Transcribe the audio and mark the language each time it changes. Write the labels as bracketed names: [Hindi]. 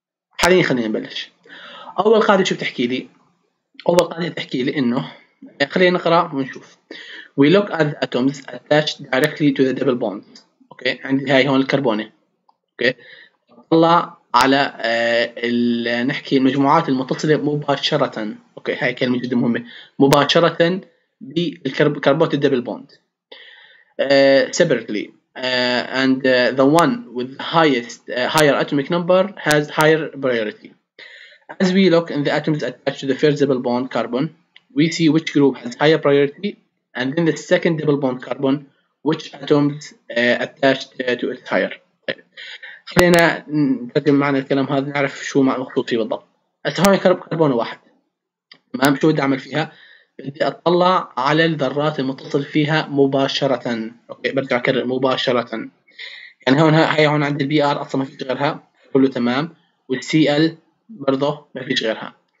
[Arabic] حاليا خلينا نبلش. اول قاعده شو بتحكي لي؟ اول قاعده بتحكي لي انه خلينا نقرا ونشوف. [English] We look at the atoms attached directly to the double bonds. [Arabic] اوكي عندي هاي هون الكربوني. اوكي طلع على نحكي المجموعات المتصلة مباشرة. اوكي هاي كلمة جدا مهمة، مباشرة بالكربوت الدبل بوند. [English] separately and the one with highest higher atomic number has higher priority. As we look in the atoms attached to the first double bond carbon, we see which group has higher priority, and in the second double bond carbon, which atoms attached to it higher. [Arabic] خلينا نترجم معنى الكلام هذا نعرف شو معنى مخطوط فيه بالضبط. أتومي كربون واحد. تمام شو بدي أعمل فيها؟ بدي أطلع على الذرات المتصل فيها مباشرة. أوكي برجع أكرر مباشرة. يعني هون هاي هون عند البي آر أصلا ما فيش غيرها كله تمام، والسي إل برضه ما فيش غيرها.